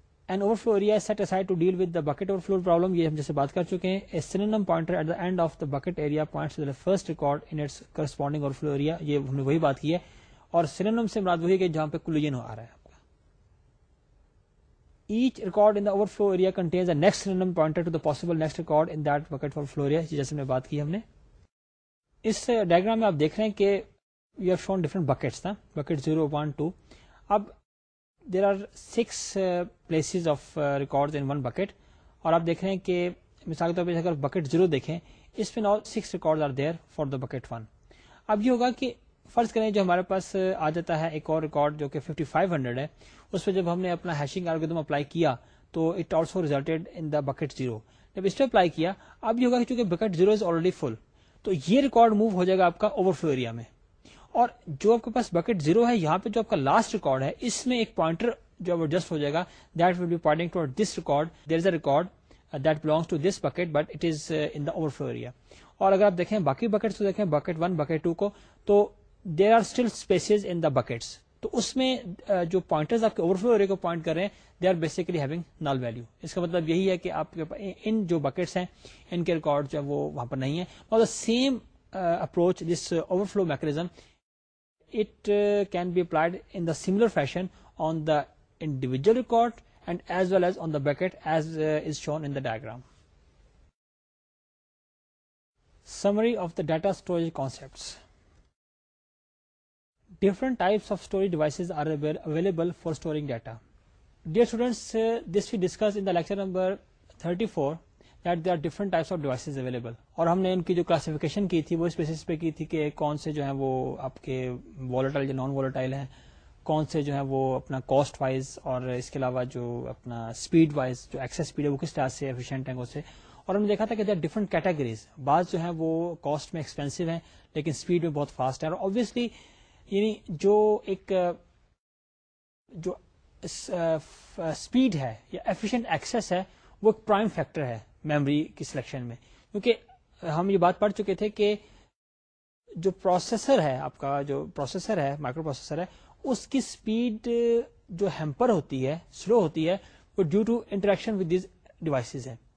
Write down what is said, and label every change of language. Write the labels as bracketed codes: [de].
[en] An overflow area is set aside to deal with the bucket overflow problem. [ur] یہ ہم جیسے بات کر چکے ہیں. [en] A synonym pointer at the end of the bucket area points to the first record in its corresponding overflow area. [ur] یہ ہم نے وہی بات کی ہے. اور synonym سے مراد وہی ہے کہ جہاں پہ collision ہو آ رہا ہے آپ کا. [en] Each record in the overflow area contains a next synonym pointer to the possible next record in that bucket overflow area. [ur] یہ جیسے ہم نے بات کی ہم نے. اس ڈائگرام میں آپ دیکھ رہے ہیں کہ [en] we have shown different buckets. Bucket 0, 1, 2. [ur] اب [en] there are 6 places of records in one bucket [ur] اور آپ دیکھ رہے ہیں کہ مثال کے طور پہ اگر بکٹ زیرو دیکھیں اس میں 6 record [en] Are there for the bucket 1. [ur] اب یہ ہوگا کہ فرض کریں جو ہمارے پاس آ جاتا ہے ایک اور ریکارڈ جو کہ 5500 ہے, اس پہ جب ہم نے اپنا ہیشنگ الگوریتم اپلائی کیا تو [en] It also resulted in the bucket 0. [ur] جب اس پہ اپلائی کیا اب یہ ہوگا کہ چونکہ بکٹ 0 از آلریڈی فل تو یہ ریکارڈ موو ہو جائے گا آپ کا اوور فلو ایریا میں, اور جو آپ کے پاس بکٹ 0 ہے یہاں پہ جو آپ کا لاسٹ ریکارڈ ہے اس میں ایک پوائنٹر جو ایڈجسٹ ہو جائے گا [en] That will be pointing to this record, there is a record that belongs to this bucket but it is in the overflow area. [ur] اور اگر آپ دیکھیں باقی بکٹس کو دیکھیں بکٹ 1 بکٹ 2 کو تو [en] there are still spaces in the buckets, [ur] تو اس میں جو پوائنٹرز آپ کے اوور فلو ایریا کو پوائنٹ کر رہے ہیں [en] they are basically having null value, [ur] اس کا مطلب یہی ہے کہ آپ کے ان جو بکٹس ہیں ان کے ریکارڈ جو وہ وہاں پر نہیں ہے. [en] اور the same approach this overflow mechanism it can be applied in the similar fashion on the individual record and as well as on the bucket as is shown in the diagram. Summary of the data storage concepts. different types of storage devices are available for storing data. Dear students, this we discussed in the lecture number 34 that there are different types of devices available. [ur] اور ہم نے ان کی جو classification کی تھی وہ اس basis پہ کی تھی کہ کون سے جو ہیں وہ آپ کے volatile یا non volatile ہیں, کون سے جو ہے وہ اپنا کاسٹ وائز اور اس کے علاوہ جو اپنا اسپیڈ وائز جو ایکسس اسپیڈ ہے وہ کس طرح سے ایفیشینٹ ہیں. اور ہم نے دیکھا تھا کہ دیئر ڈفرنٹ کیٹیگریز, بعض جو ہیں وہ کاسٹ میں ایکسپینسو ہیں لیکن اسپیڈ میں بہت فاسٹ ہیں. اور آبویسلی یعنی جو ایک جو اسپیڈ ہے یا ایفیشینٹ ایکسس ہے وہ ایک پرائم فیکٹر ہے میموری کی سلیکشن میں, کیونکہ ہم یہ بات پڑھ چکے تھے کہ جو پروسیسر ہے آپ کا جو پروسیسر ہے مائکرو پروسیسر ہے اس کی اسپیڈ جو ہیمپر ہوتی ہے سلو ہوتی ہے وہ [en] due to interaction with these devices [ur] ہے.